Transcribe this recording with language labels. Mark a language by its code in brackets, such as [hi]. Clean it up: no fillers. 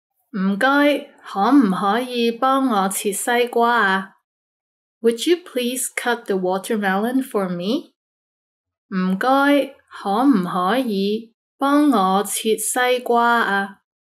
[yue] 唔該，可唔可以幫我切西瓜啊？ [en] Would you please cut the watermelon for me? [yue] 唔該，可唔可以幫我切西瓜啊？